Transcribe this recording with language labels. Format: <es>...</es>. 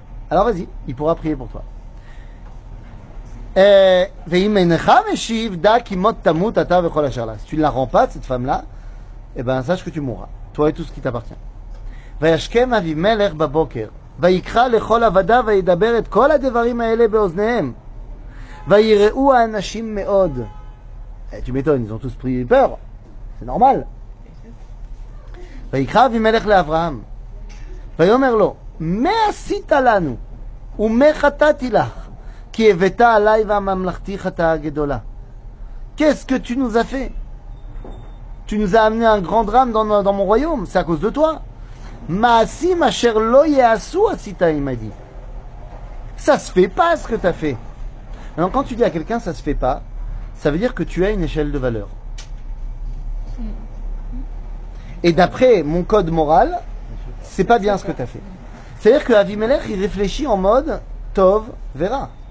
<fr>Alors vas-y, il pourra prier pour toi. Si tu ne la rends pas, cette femme-là, eh ben, sache que tu mourras, toi et tout ce qui t'appartient. Tu m'étonnes, ils ont tous pris peur, c'est normal.</fr> <he>ויקרא אבימלך לאברהם ויאמר לו מה עשית לנו ומה חטאתי לך כי הבאת עליי והממלכתי חטאה גדולה.</he> <fr>Qu'est-ce que tu nous as fait? Tu nous as amené un grand drame dans mon royaume, c'est à cause de toi.</fr> <he>מעשים אשר לא יעשו עשית עמדי.</he> <fr>Ça se fait pas ce que tu as fait. Alors quand tu dis à quelqu'un ça se fait pas, ça veut dire que tu as une échelle de valeur. Et d'après mon code moral, c'est pas bien ce que tu as fait. C'est-à-dire que Avimelech, il réfléchit en mode Tov Vera.</fr>